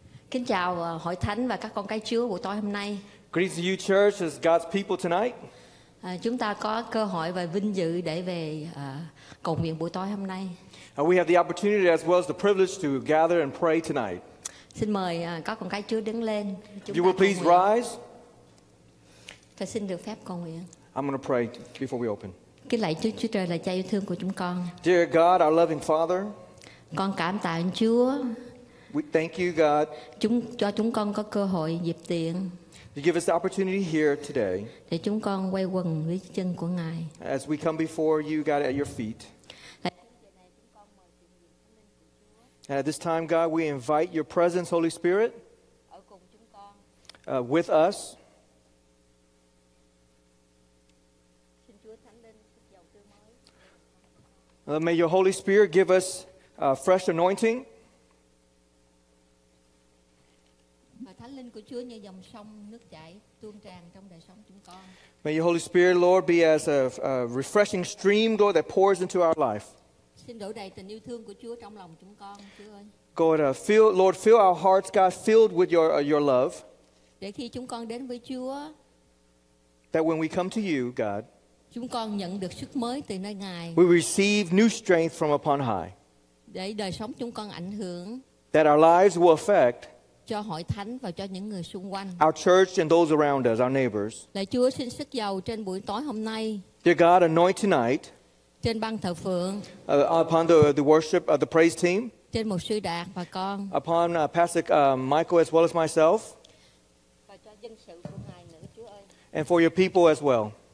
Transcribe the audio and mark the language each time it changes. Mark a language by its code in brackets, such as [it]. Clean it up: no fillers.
[vi] Kính chào hội thánh và các con cái Chúa buổi tối hôm nay. [en] Greetings to you, church, as God's people tonight. [vi] Chúng ta có cơ hội và vinh dự để về cầu nguyện buổi tối hôm nay. [en] We have the opportunity as well as the privilege to gather and pray tonight. [vi] Xin mời các con cái Chúa đứng lên. [en] You will please rise. [vi] Và xin được phép cầu nguyện. [en] I'm going to pray before we open. [vi] Kính lạy Chúa Trời là Cha yêu thương của chúng con. [en] Dear God, our loving Father. [vi] Con cảm tạ Chúa. [en] We thank you, God. [vi] Cho chúng con có cơ hội dịp tiện. [en] You give us the opportunity here today. [vi] Để chúng con quay quần dưới chân của Ngài. [en] As we come before you, God, at your feet. And at this time, God, we invite your presence, Holy Spirit, with us. May your Holy Spirit give us fresh anointing. [vi] Thánh Linh của Chúa như dòng sông nước chảy tuôn tràn trong đời sống chúng con. [en] May your Holy Spirit, Lord, be as a refreshing stream, Lord, that pours into our life. [vi] Xin đổ đầy tình yêu thương của Chúa trong lòng chúng con, Chúa ơi. [en] God, fill our hearts, God, filled with your love. [vi] Để khi chúng con đến với Chúa, [en] that when we come to you, God, [vi] chúng con nhận được sức mới từ nơi Ngài. [en] We receive new strength from upon high. [vi] Để đời sống chúng con ảnh hưởng. [en] That our lives will affect. [vi] Cho hội thánh và cho những người xung quanh. [en] Our church and those around us, our neighbors. [vi] Lạy Chúa xin sức dầu trên buổi tối hôm nay. [en] Dear God, anoint tonight. [vi] Trên ban thờ phượng. [en] Upon the worship of the praise team. [vi] Trên mục sư Đạt và con. [en] Upon Pastor Michael as well as myself. [vi] Và cho dân sự của Ngài nữa, Chúa ơi. [en] And for your people as well.